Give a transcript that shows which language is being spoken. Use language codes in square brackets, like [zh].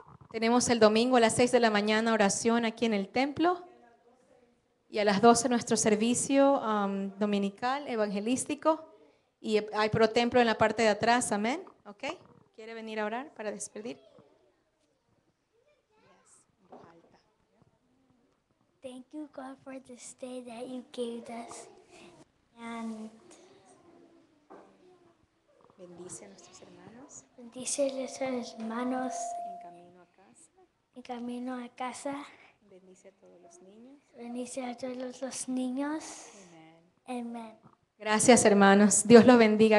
[es] Tenemos el domingo a las 6 de la mañana oración aquí en el templo. Y a las 12 nuestro servicio dominical, evangelístico. Y hay pro templo en la parte de atrás, amén. ¿Ok? ¿Quiere venir a orar para despedir? [en] Thank you, God, for this day that you gave us. And [es] bendice a nuestros hermanos. Bendice a nuestros hermanos. En camino a casa. En camino a casa. Bendice a todos los niños. Bendice a todos los niños. Amen. Amen. Gracias, hermanos. Dios los bendiga.